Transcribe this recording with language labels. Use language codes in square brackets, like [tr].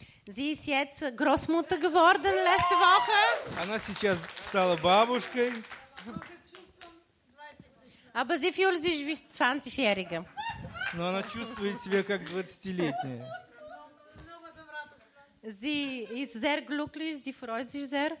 [de] Sie ist jetzt Großmutter geworden letzte Woche. [ru] Она сейчас стала бабушкой. [de] Aber sie fühlt sich wie 20-jährige. [ru] Но она чувствует себя как 20-летняя. [de] Sie ist sehr glücklich, sie freut sich sehr.